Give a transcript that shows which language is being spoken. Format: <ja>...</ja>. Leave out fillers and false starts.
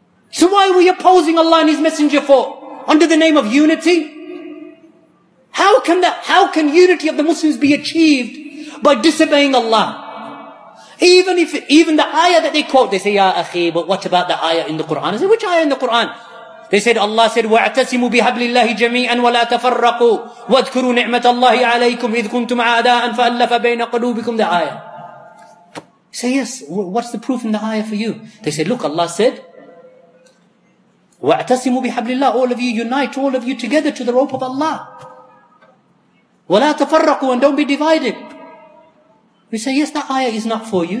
<en>So why are we opposing Allah and His Messenger for? Under the name of unity? How can unity of the Muslims be achieved by disobeying Allah? Even the ayah that they quote, they say, Ya Akhi, but what about the ayah in the Quran? I say, which ayah in the Quran? They said, Allah said,</en> <ar>وَاعْتَسِمُوا بِهَبْلِ اللَّهِ جَمِيعًا وَلَا تَفَرَّقُوا وَاذْكُرُوا نِعْمَةَ اللَّهِ عَلَيْكُمْ إِذْ كُنْتُمْ عَادَاءً فَأَلَّفَ بَيْنَ قُلُوبِكُمْ.</ar> <en>The ayah. Say, yes, what's the proof in the ayah for you? They said, look, Allah said,</en> <ar>وَاعْتَسِمُوا بِهَبْلِ اللَّهِ,</ar> <en>all of you unite, all of you together to the rope of Allah.</en> <ar>وَلَا تَفَرَّقُوا,</ar> <en>and don't be divided. We say, yes, that ayah is not for you.</en>